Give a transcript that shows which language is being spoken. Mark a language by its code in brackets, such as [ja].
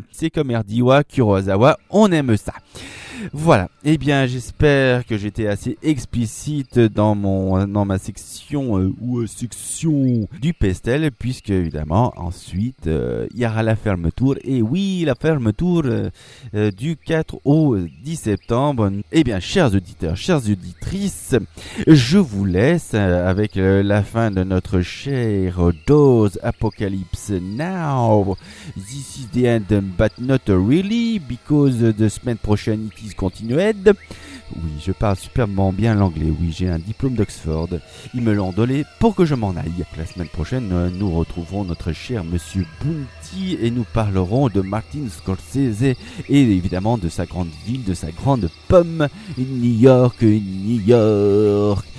[fr] C'est comme Erdiwa, Kurosawa, on aime ça. Voilà, eh bien j'espère que j'étais assez explicite dans ma section section du pastel, puisque évidemment ensuite il y aura la fermeture, et oui, la fermeture du 4 au 10 septembre. Eh bien, chers auditeurs, chères auditrices, je vous laisse avec la fin de notre chère dose Apocalypse Now. [en] This is the end but not really, because the [fr] semaine prochaine [en] it is continued. [fr] Oui, je parle superbement bien l'anglais. Oui, j'ai un diplôme d'Oxford. Ils me l'ont donné pour que je m'en aille. La semaine prochaine, nous retrouverons notre cher monsieur Bounty et nous parlerons de Martin Scorsese et évidemment de sa grande ville, de sa grande pomme, New York, New York.